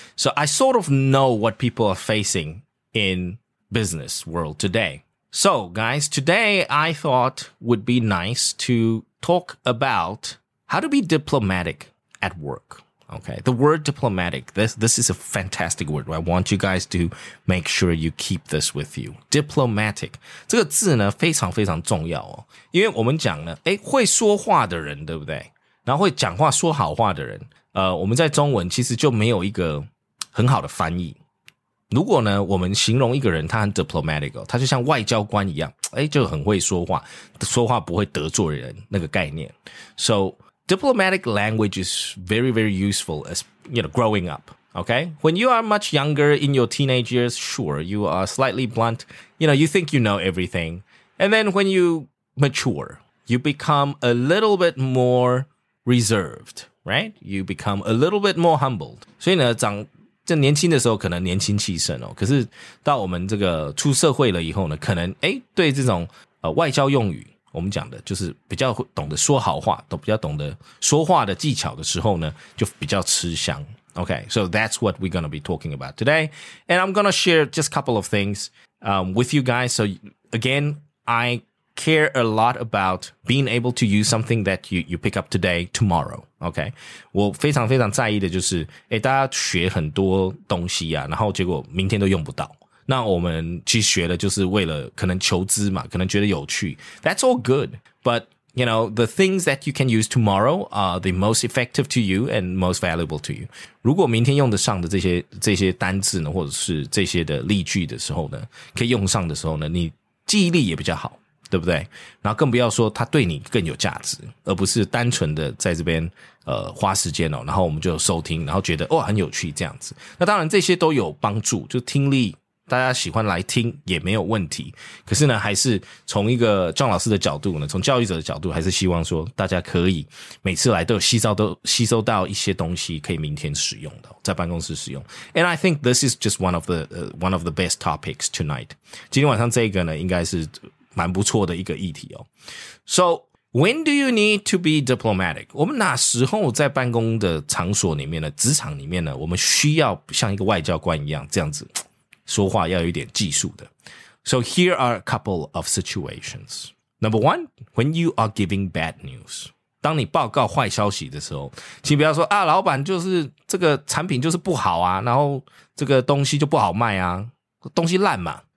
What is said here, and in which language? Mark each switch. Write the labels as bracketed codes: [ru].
[en] So I sort of know what people are facing in business world today. So guys, today I thought would be nice to talk about how to be diplomatic at work. Okay. The word diplomatic, this is a fantastic word. I want you guys to make sure you keep this with you. Diplomatic. [zh] 这个字呢非常非常重要哦。因为我们讲呢会说话的人对不对然后会讲话说好话的人我们在中文其实就没有一个很好的翻译。如果呢我们形容一个人他很 diplomatic 哦他就像外交官一样就很会说话说话不会得罪人那个概念。 [en] So, diplomatic language is very, very useful as, growing up. Okay. When you are much younger in your teenage years, sure, you are slightly blunt. You think you know everything. And then when you mature, you become a little bit more reserved, right? You become a little bit more humbled. [zh] 所以呢，长这年轻的时候可能年轻气盛哦，可是到我们这个出社会了以后呢，可能对这种外交用语，我们讲的就是比较懂得说好话，都比较懂得说话的技巧的时候呢，就比较吃香。 [en] Okay, so that's what we're going to be talking about today, and I'm going to share just a couple of things with you guys. So again, I care a lot about being able to use something that you pick up today, tomorrow, okay? [zh] 我非常非常在意的就是大家学很多东西啊然后结果明天都用不到。那我们去学的就是为了可能求知嘛可能觉得有趣。 [en] That's all good. But, the things that you can use tomorrow are the most effective to you and most valuable to you. [zh] 如果明天用得上的这些单字呢或者是这些的例句的时候呢可以用上的时候呢你记忆力也比较好。对不对？然后更不要说它对你更有价值，而不是单纯的在这边花时间哦，然后我们就收听，然后觉得哦很有趣这样子。那当然这些都有帮助，就听力大家喜欢来听也没有问题。可是呢，还是从一个John老师的角度呢，从教育者的角度，还是希望说大家可以每次来都吸收到一些东西，可以明天使用的，在办公室使用。 [en] And I think this is just one of the best topics tonight. [zh] 今天晚上这个呢，应该是蛮不错的一个议题哦。 [en] So, when do you need to be diplomatic? [zh] 我们哪时候在办公的场所里面呢职场里面呢我们需要像一个外交官一样这样子说话要有一点技术的。 [en] So, here are a couple of situations. Number one, when you are giving bad news. [zh] 当你报告坏消息的时候请不要说啊老板就是这个产品就是不好啊然后这个东西就不好卖啊东西烂嘛。